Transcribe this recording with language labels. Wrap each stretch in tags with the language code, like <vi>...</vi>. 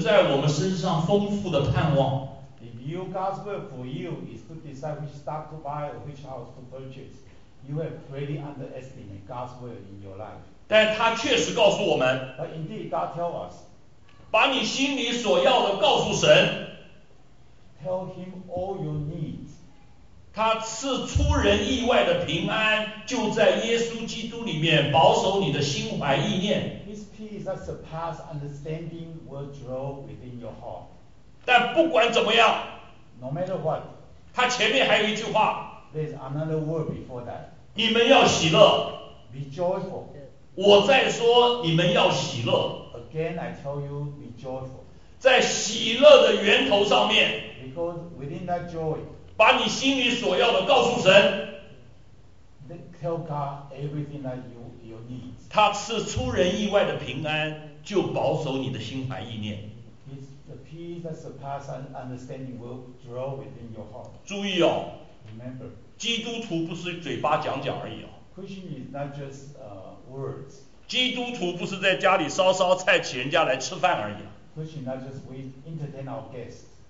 <zh>如果我们把神的旨意都摆在买哪一张股票，买哪一个房子，找哪一个工作，我们真的是低估了神在我们身上丰富的盼望。</zh> <en>If you, God's will for you is to decide which stock to buy or which house to purchase, you have really underestimated God's will in your life.</en> <zh>但他确实告诉我们，</zh> <en>But indeed, God tell us,</en> <zh>把你心里所要的告诉神，</zh> <en>tell him all your needs.</en> <zh>他赐出人意外的平安，就在耶稣基督里面保守你的心怀意念。</zh> <en>His peace that surpasses understanding will dwell within your heart.</en> <zh>但不管怎么样，</zh> <en>No matter what,</en> <zh>他前面还有一句话，</zh> <en>There's another word before that.</en> <zh>你们要喜乐，</zh> <en>Be joyful.</en> <zh>我再说，你们要喜乐。</zh> <en>Again, I tell you, be joyful.</en> <zh>在喜乐的源头上面，</zh> <en>Because within that joy,</en> <zh>把你心里所要的告诉神。</zh> <en>Then tell God everything that you need.</en> <zh>他赐出人意外的平安，就保守你的心怀意念。</zh> <en>His The peace that surpasses understanding will dwell within your heart.</en> <zh>注意哦。</zh> <en>Remember.</en> <zh>基督徒不是嘴巴讲讲而已哦。</zh> <en>Christian is not just words.</en> <zh>基督徒不是在家里烧烧菜请人家来吃饭而已。</zh> <en>Christian is not just we entertain our guests.</en>